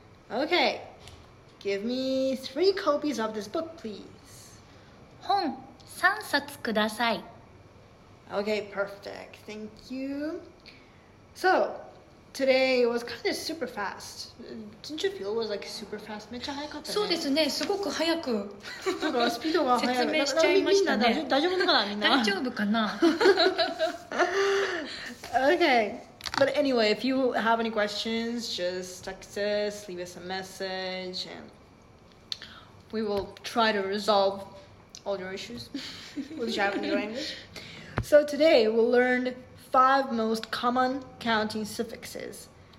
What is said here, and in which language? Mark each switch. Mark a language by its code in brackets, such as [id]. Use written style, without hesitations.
[en] Okay, give me three copies of this book, please. [ja] 本三冊ください。 [en] Okay, perfect. Thank you. So, today was kind of super fast. Didn't you feel it was like super fast? [ja] めっちゃ早かったね。そうですね。すごく早く。だからスピードが速い。説明しちゃいましたね。大丈夫かな、みんな。大丈夫かな。 [en] Okay. But anyway, if you have any questions, just text us, leave us a message, and we will try to resolve all your issues with Japanese language. So today, we learned five most common counting suffixes.